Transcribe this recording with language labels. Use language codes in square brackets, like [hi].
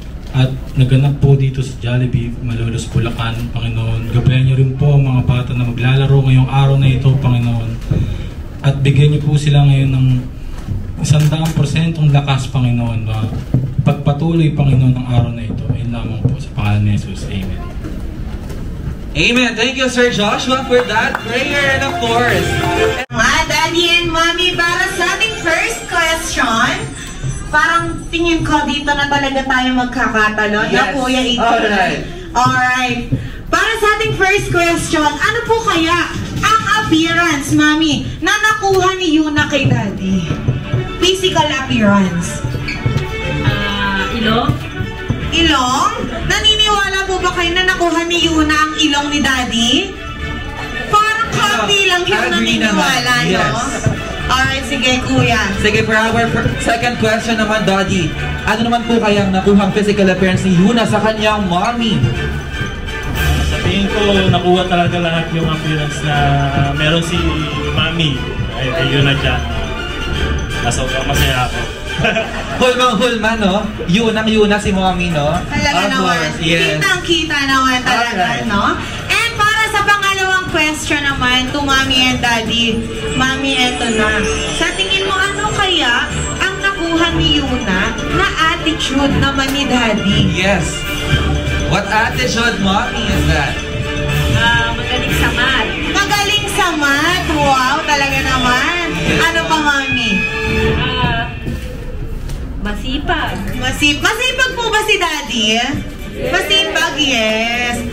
[tl] at naganap po dito sa Jollibee Malolos, Bulacan. Panginoon, gabayan niyo rin po ang mga bata na maglalaro ngayong araw na ito, Panginoon. At bigyan niyo po sila ngayon ng 100% lakas, Panginoon. Pagpatuloy, Panginoon, ng araw na ito. Ayun lamang po sa pangalan ni Jesus. Amen. Amen. [en] Thank you, Sir Joshua, for that prayer and of course. [tl] Ma, Daddy and Mommy, para sa ating first question, parang tingin ko dito na talaga tayo magkakatalo. [en] Yes. Kuya, [tl] Alright. Para sa ating first question, ano po kaya ang appearance, Mommy, na nakuha ni Yuna kay Daddy? [en] Physical appearance. [tl] Ilong? Ilong? Naniniwala po ba kayo na nakuha ni Yuna ang ilong ni Daddy? Parang kapi lang yung naniniwala, no? [en] Yes. [tl] Alright, sige, Kuya. [en] Sige, for our second question naman, Daddy. [tl] Ano naman po kayang nakuha ang physical appearance ni Yuna sa kanyang mommy? Sabihin ko, nakuha talaga lahat yung appearance na meron si mommy. Ay, Yuna dyan. Nasobrang masaya ako. Hulmang-hulma, no? Yunang-yuna si mommy, no? Talaga naman. [en] Yes. [tl] Kita-kita naman talaga, no? And para sa pangalawang question naman to mommy and daddy, mommy, eto na. Sa tingin mo, ano kaya ang nakuha ni Yuna na attitude naman ni daddy? [en] Yes. What attitude, mommy, is that? [tl] Magaling sa mat. Magaling sa mat? Wow, talaga naman. Yes. Ano pa, mommy? Masipag. Masipag po ba si Daddy? Yes. Masipag, yes.